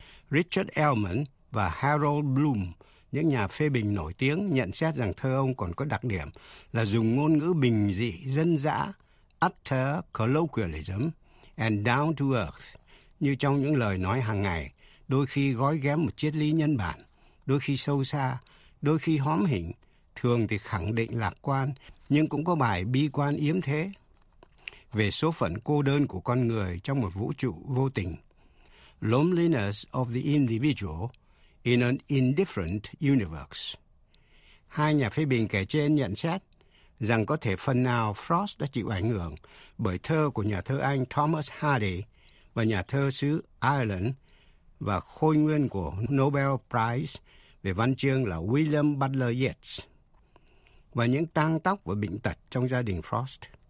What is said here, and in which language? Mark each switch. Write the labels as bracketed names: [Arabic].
[Vietnamese] Richard Ellman và Harold Bloom, những nhà phê bình nổi tiếng, nhận xét rằng thơ ông còn có đặc điểm là dùng ngôn ngữ bình dị, dân dã, [English] utter colloquialism and down to earth, [Vietnamese] như trong những lời nói hàng ngày, đôi khi gói ghém một triết lý nhân bản, đôi khi sâu xa, đôi khi hóm hỉnh, thường thì khẳng định lạc quan, nhưng cũng có bài bi quan yếm thế về số phận cô đơn của con người trong một vũ trụ vô tình. [English] Loneliness of the individual in an indifferent universe. [Vietnamese] hai nhà phê bình kể trên nhận xét rằng có thể phần nào Frost đã chịu ảnh hưởng bởi thơ của nhà thơ Anh Thomas Hardy và nhà thơ xứ Ireland và khôi nguyên của Nobel Prize về văn chương là William Butler Yeats và những tang tóc và bệnh tật trong gia đình Frost.